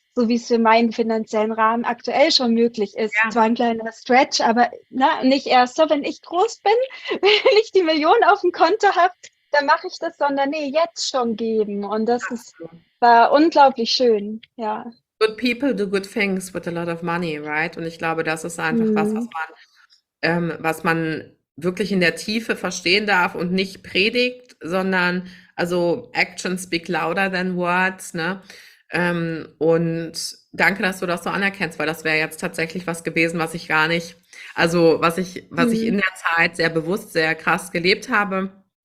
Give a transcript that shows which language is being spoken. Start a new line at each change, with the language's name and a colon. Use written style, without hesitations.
German: So wie es für meinen finanziellen Rahmen aktuell schon möglich ist. Zwar ein kleiner Stretch, aber na, nicht erst so, wenn ich groß bin, wenn ich die Millionen auf dem Konto habe, dann mache ich das, sondern nee, jetzt schon geben. Und das war unglaublich schön, ja.
English: Good people do good things with a lot of money, right?
German: Und ich glaube, das ist einfach was man wirklich in der Tiefe verstehen darf und nicht predigt, sondern also
English: Actions speak louder than words,
German: ne? Und danke, dass du das so anerkennst, weil das wäre jetzt tatsächlich was gewesen, was ich gar nicht, also was ich in der Zeit sehr bewusst, sehr krass gelebt habe.